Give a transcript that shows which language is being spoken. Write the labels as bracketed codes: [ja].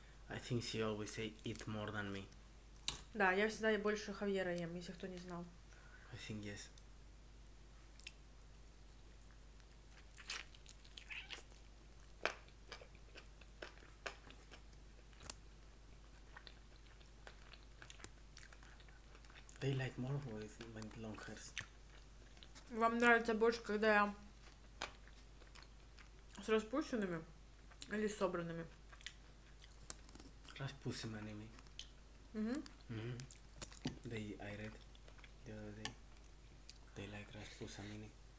[en] I think she always say eat more than me. [ru] Да, я всегда больше Хавьера ем, если кто не знал. [en] I think yes. They like more with my long hairs. [ru] Вам нравится больше, когда я с распущенными или собранными? Распущенными. [en] They, I read the other day. They like [ru] распущенными.